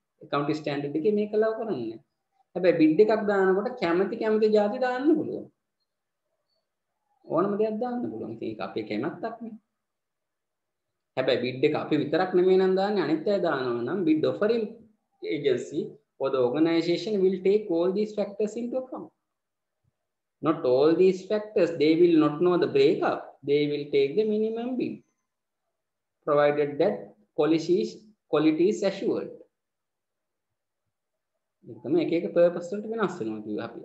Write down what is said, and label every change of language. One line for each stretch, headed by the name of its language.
Sinhala: Accounting standard එකේ මේක ලව කරන්නේ නැහැ. හැබැයි bid එකක් දානකොට කැමැති ජාති දාන්න පුළුවන්. ඕනම දෙයක් දාන්න පුළුවන්. ඉතින් ඒක අපේ කැමැත්තක්නේ. හැබැයි බිඩ් එක අපි විතරක් නෙමෙයි නම් දාන්නේ, අනිත් අය දානවා නම් bid ඔෆරින් agency
English: or the organization will take all these factors into account. Not all these factors, they will not know the breakup. They will take the minimum bid, provided that quality is assured.
Sinhala: එකම එක එක purpose වලට වෙනස් වෙනවා කිව්වා අපි.